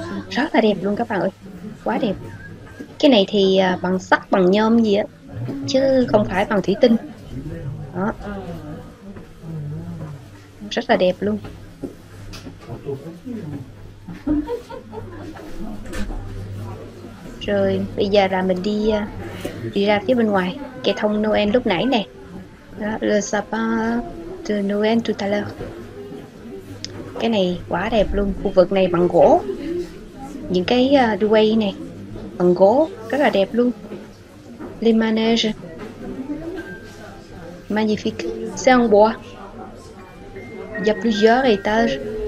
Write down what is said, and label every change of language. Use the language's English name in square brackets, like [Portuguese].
[Vietnamese] Rất là đẹp luôn các bạn ơi. Quá đẹp. Cái này thì bằng sắt, bằng nhôm gì á, chứ không phải bằng thủy tinh. Đó. Rất là đẹp luôn. Rồi bây giờ là mình đi đi ra phía bên ngoài. Cái thông Noel lúc nãy nè. [French] Đó, le sapin de Noël tout à l'heure. [Vietnamese] Cái này quá đẹp luôn. Khu vực này bằng gỗ. Những cái duvet này bằng gỗ, rất là đẹp luôn. [French] Les manèges. Magnifique. C'est en bois. Il y a plusieurs étages.